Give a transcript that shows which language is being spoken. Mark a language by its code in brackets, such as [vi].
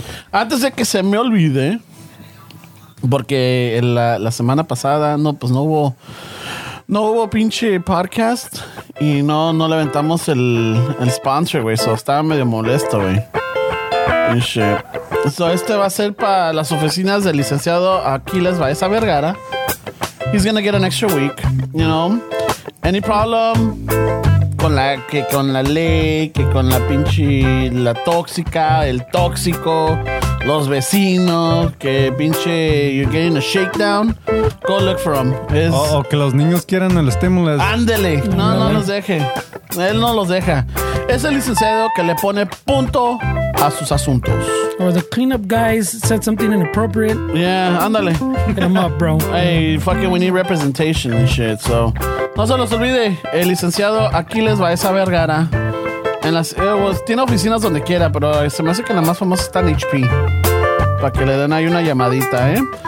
[es] Antes de que se me olvide, porque la semana pasada no hubo pinche podcast y no levantamos el sponsor, güey. So estaba medio molesto, güey. Pinche. So este va a ser para las oficinas del licenciado Aquiles Baeza Vergara. [en] He's gonna get an extra week, you know. Any problem [es] con la ley, que con la pinche la tóxica, el tóxico. Los vecinos, que pinche, [en] you're getting a shakedown. Go look for him. [es] O que los niños quieran el estímulo. Ándele. No los deje. Él no los deja. Es el licenciado que le pone punto a sus asuntos. [en] Or the cleanup guys said something inappropriate. [es] Yeah, ándale. [en] Get him up, bro. Hey, fucking, we need representation and shit, so. [es] No se los olvide, el licenciado Aquiles Baeza Vergara. Tiene oficinas donde quiera, pero se me hace que la más famosa está en HP. Para que le den ahí una llamadita, ¿eh?